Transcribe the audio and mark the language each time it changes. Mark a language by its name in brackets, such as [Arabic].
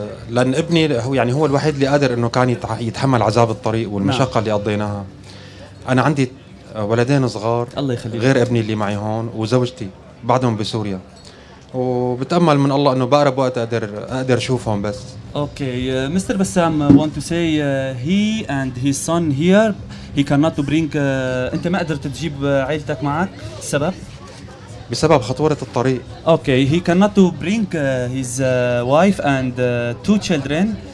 [Arabic] لأن ابني هو يعني هو الوحيد اللي قادر إنه كان يتحمل عذاب الطريق والمشقة اللي قضيناها. أنا عندي ولدين صغار الله يخليك غير ابني اللي معي هون وزوجتي بعدهم بسوريا. وبتأمل من الله إنه بأقرب وقت أقدر أشوفهم بس. [English] Okay, Mr. Bassam want to say he and his son here. He cannot bring. [Arabic] أنت ما قدرت تجيب عائلتك معك. السبب؟ بسبب خطورة الطريق. [English] Okay, he cannot bring his wife and two children.